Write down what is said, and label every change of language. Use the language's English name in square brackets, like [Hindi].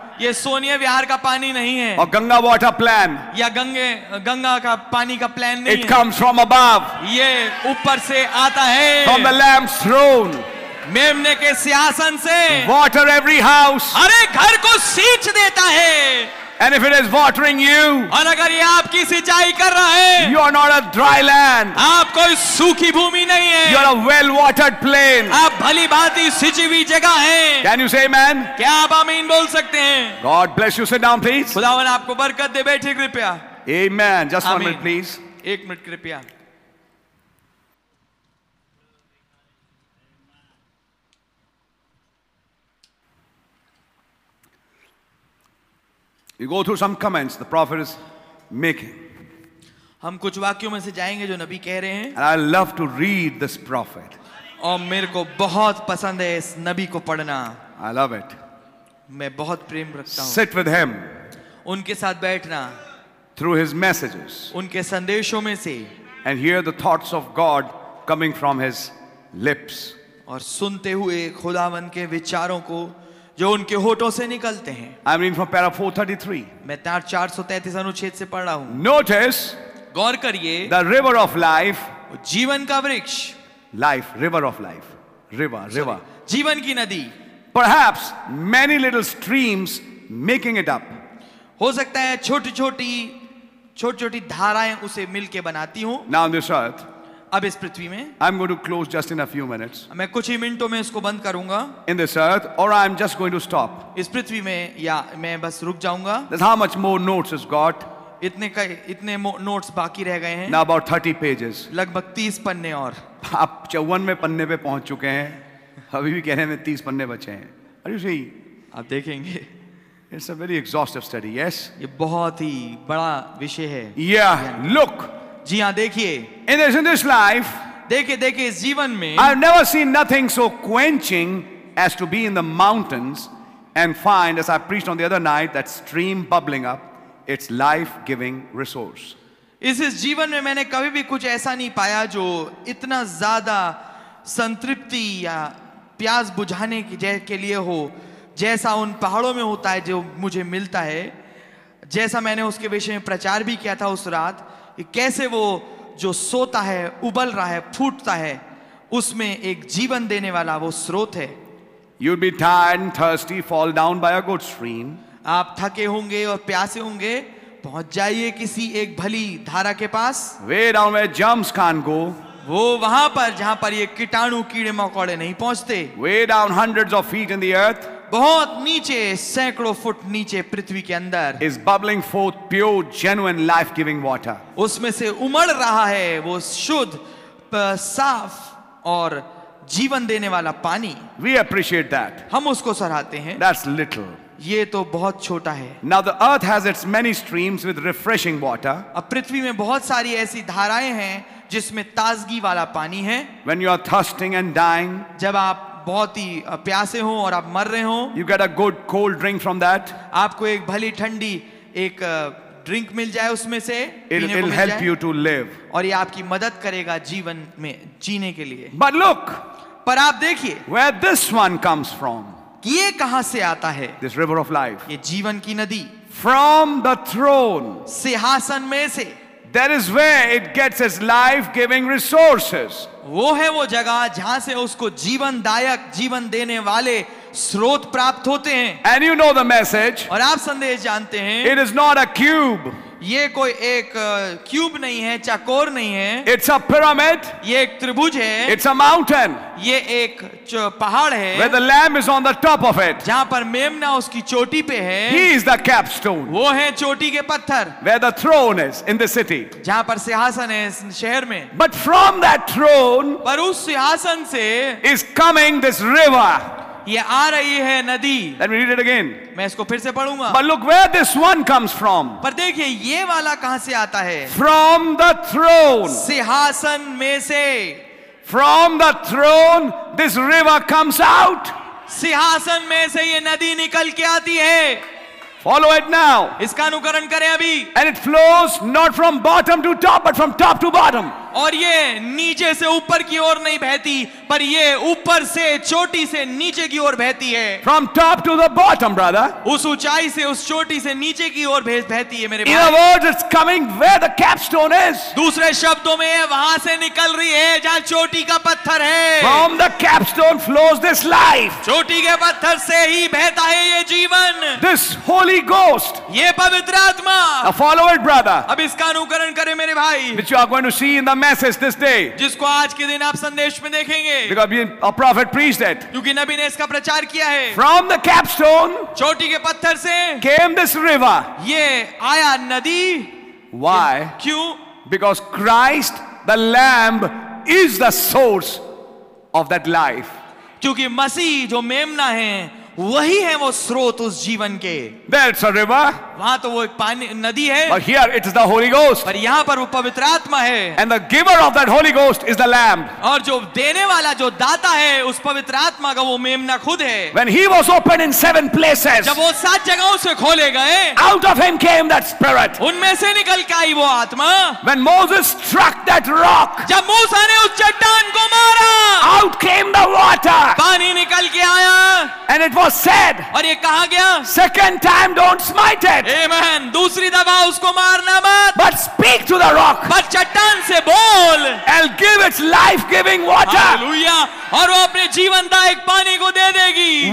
[Hindi] ये सोनिया विहार का पानी नहीं है. और गंगा वाटर प्लान या गंगा का पानी का प्लान नहीं. [English] It comes from above. [Hindi] ये ऊपर से आता है. [English] From the Lamb's throne. [Hindi] मेमने के सिंहासन से. [English] Water every house. [Hindi] हर एक घर को सींच देता है. [English] And if it is watering you. [Hindi] और अगर ये आपकी सिंचाई कर रहा है. [English] You are not a dry land. [Hindi] आप कोई सूखी भूमि नहीं है. [English] You are a well watered plain. [Hindi] आप भली भांति सींची हुई जगह है. [English] Can you say amen? [Hindi] क्या आप आमीन बोल सकते हैं? [English] God bless you. Sit down please. [Hindi] खुदावन आपको बरकत दे. बैठे कृपया. [English] Amen. Just one minute please. [Hindi] एक मिनट कृपया. [English] You go through some comments the prophet is making. [Hindi] हम कुछ वाक्यों में से जाएंगे जो नबी कह रहे हैं. [English] And I love to read this prophet. [Hindi] और मेरे को बहुत पसंद है इस नबी को पढ़ना. [English] I love it. [Hindi] मैं बहुत प्रेम रखता हूँ. [English] Sit with him. [Hindi] उनके साथ बैठना. [English] Through his messages. [Hindi] उनके संदेशों में से. [English] And hear the thoughts of God coming from his lips. [Hindi] और सुनते हुए खुदावन के विचारों को जो उनके होठों से निकलते हैं. [English] I mean from para 433. [Hindi] मैं 433 अनुच्छेद से पढ़ रहा हूँ. [English] Notice. [Hindi] गौर करिए. [English] The river of life. [Hindi] जीवन का वृक्ष. [English] Life, river of life. River. [Hindi] जीवन की नदी. [English] Perhaps many little streams making it up. [Hindi] हो सकता है छोटी-छोटी धाराएं उसे मिलके बनाती हूँ. [English] Now this earth. [Hindi] अब इस पृथ्वी में. [English] I'm going to close just in a few minutes. [Hindi] मैं कुछ ही मिनटों में इसको बंद करूंगा. [English] In this earth, or I'm just going to stop. [Hindi] इस पृथ्वी में या मैं बस रुक जाऊंगा. [English] That's how much more notes has got. [Hindi] इतने notes बाकी रह गए हैं. [English] Now about 30 pages. [Hindi] लगभग 30 पन्ने और. आप 54वें पन्ने पे पहुंच चुके हैं. अभी भी कह रहे हैं मैं 30 पन्ने बचे हैं. [English] Are you seeing? [Hindi] आप देखेंगे. [English] It's a very exhaustive study. Yes. [Hindi] ये बहुत ही बड़ा विषय है. [English] Yeah. Look. [Hindi] जी हाँ देखिए. [English] In this life. [Hindi] देखिए इस जीवन में. [English] I've never seen nothing so quenching as to be in the mountains and find, as I preached on the other night, that stream bubbling up, its life-giving resource. [Hindi] इस जीवन में मैंने कभी भी कुछ ऐसा नहीं पाया जो इतना ज्यादा संतृप्ति या प्यास बुझाने के लिए हो जैसा उन पहाड़ों में होता है जो मुझे मिलता है. जैसा मैंने उसके विषय में प्रचार भी किया था उस रात, कैसे वो जो सोता है, उबल रहा है, फूटता है, उसमें एक जीवन देने वाला वो स्रोत है. [English] You'll be tired and thirsty, fall down by a good stream. [Hindi] आप थके होंगे और प्यासे होंगे, पहुंच जाइए किसी एक भली धारा के पास. [English] Way down where germs can't go. [Hindi] वो वहां पर जहां पर ये कीटाणु कीड़े मकोड़े नहीं पहुंचते. [English] Way down hundreds of feet in the earth. [Hindi] बहुत नीचे सैकड़ों फुट नीचे पृथ्वी के अंदर. [English] Is bubbling forth pure, genuine, life-giving water. [Hindi] उसमें से उमड़ रहा है वो शुद्ध, साफ और जीवन देने वाला पानी. [English] We appreciate that. [Hindi] हम उसको सराहते हैं. [English] That's little. [Hindi] ये तो बहुत छोटा है. [English] Now the earth has its many streams with refreshing water. [Hindi] अब पृथ्वी में बहुत सारी ऐसी धाराएं हैं जिसमें ताजगी वाला पानी है. [English] When you are thirsting and dying. [Hindi] जब आप बहुत ही प्यासे हो और आप मर रहे हो. [English] You get a good cold drink from that. [Hindi] आपको एक भली ठंडी एक ड्रिंक मिल जाए उसमें से. [English] It'll help you to live. [Hindi] और ये आपकी मदद करेगा जीवन में जीने के लिए. [English] But look. [Hindi] पर आप देखिए. [English] Where this one comes from. [Hindi] कि ये कहां से आता है? [English] This river of life. [Hindi] ये जीवन की नदी. [English] From the throne. [Hindi] सिंहासन में से. [English] That is where it gets its life-giving resources. [Hindi] वो है वो जगह जहां से उसको जीवनदायक जीवन देने वाले स्रोत प्राप्त होते हैं. [English] And you know the message. [Hindi] और आप संदेश जानते हैं. [English] It is not a cube. [Hindi] ये कोई एक क्यूब नहीं है, चकोर नहीं है. [English] It's a pyramid. [Hindi] ये एक त्रिभुज है. [English] It's a mountain. [Hindi] ये एक पहाड़ है. [English] Where the lamb is on the top of it. [Hindi] जहाँ पर मेमना उसकी चोटी पे है. [English] He is the capstone. [Hindi] वो है चोटी के पत्थर. [English] Where the throne is in the city. [Hindi] जहाँ पर सिंहासन है इस शहर में. [English] But from that throne. [Hindi] पर उस सिंहासन से. [English] Is coming this river. [Hindi] ये आ रही है नदी. [English] Let me read it again. [Hindi] मैं इसको फिर से पढ़ूंगा. [English] But look where this one comes from. [Hindi] पर देखिए ये वाला कहां से आता है? [English] From the throne. [Hindi] सिंहासन में से. [English] From the throne this river comes out. [Hindi] सिंहासन में से ये नदी निकल के आती है. [English] Follow it now. [Hindi] इसका अनुकरण करें अभी. [English] And it flows not from bottom to top, but from top to bottom. [Hindi] और ये नीचे से ऊपर की ओर नहीं बहती, पर ये ऊपर से चोटी से नीचे की ओर बहती है. [English] From top to the bottom, brother. [Hindi] उस ऊंचाई से उस चोटी से नीचे की ओर बहती है मेरे भाई. [English] In other words, it's coming where the capstone is. [Hindi] दूसरे शब्दों में वहां से निकल रही है जहां चोटी का पत्थर है. [English] From the capstone flows this life. [Hindi] चोटी के पत्थर से ही बहता है ये जीवन. [English] This Holy Ghost. [Hindi] ये पवित्र आत्मा. [English] Now follow it, brother. [Hindi] अब इसका अनुकरण करें मेरे भाई. [English] Which you are going to see in the message this day. [Hindi] जिसको आज के दिन आप संदेश में देखेंगे. [English] Because a prophet preached it. [Hindi] क्योंकि नबी ने इसका प्रचार किया है. [English] From the capstone. [Hindi] चोटी के पत्थर से. [English] Came this river. [Hindi] ये आया नदी. [English] Why? [Hindi] क्यों? [English] Because Christ, the Lamb, is the source of that life. [Hindi] क्योंकि मसीह जो मेमना है, वही है वो स्रोत उस जीवन के. [English] That's a river. [Hindi] वहां तो वो एक पानी नदी है. [English] But here it is the Holy Ghost. [Hindi] पर यहां पर वो पवित्र आत्मा है. [English] And the giver of that Holy Ghost is the Lamb. [Hindi] और जो देने वाला जो दाता है उस पवित्र आत्मा का वो मेमना खुद है. [English] When he was opened in seven places. [Hindi] जब वो सात जगहों से खोले गए. [English] Out of him came that spirit. [Hindi] उनमें से निकल के आई वो आत्मा. [English] When Moses struck that rock. [Hindi] जब मूसा ने उस चट्टान को मारा. [English] Out came the water. [Hindi] पानी निकल के आया. [English] And it was said. [Hindi] और ये कहा गया. [English] Second time don't smite it. [Hindi] Amen. दूसरी दफा उसको मारना मत. [English] But speak to the rock. [Hindi] पर चट्टान से बोल. [English] And give its life-giving water. Hallelujah. [Hindi] और वो अपने जीवनदायक पानी को दे देगी.